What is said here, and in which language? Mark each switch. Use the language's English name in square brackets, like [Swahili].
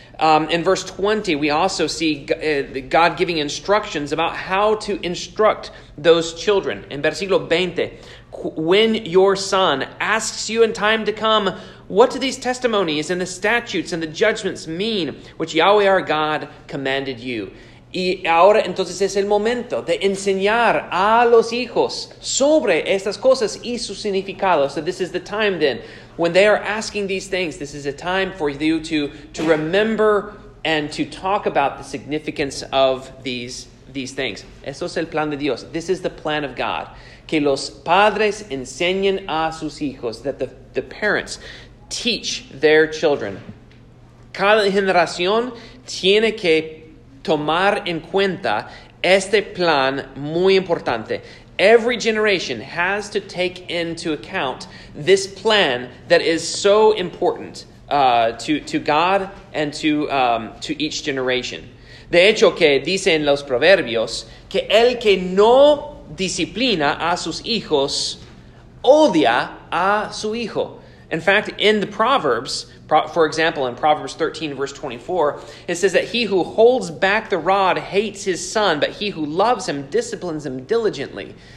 [English] In verse 20, we also see God giving instructions about how to instruct those children. [Spanish] En versículo 20, [English] when your son asks you in time to come, what do these testimonies and the statutes and the judgments mean, which Yahweh our God commanded you? [Spanish] Y ahora entonces es el momento de enseñar a los hijos sobre estas cosas y su significado. [English] So this is the time then, when they are asking these things, this is a time for you to remember and to talk about the significance of these things. [Spanish] Eso es el plan de Dios. [English] This is the plan of God. [Spanish] Que los padres enseñen a sus hijos, [English] that the parents teach their children. [Spanish] Cada generación tiene que tomar en cuenta este plan muy importante. [English] Every generation has to take into account this plan that is so important to God and to each generation. [Spanish] De hecho, que dice en los proverbios que el que no disciplina a sus hijos odia a su hijo. [English] In fact, in the Proverbs, for example, in Proverbs 13, verse 24, it says that he who holds back the rod hates his son, but he who loves him disciplines him diligently.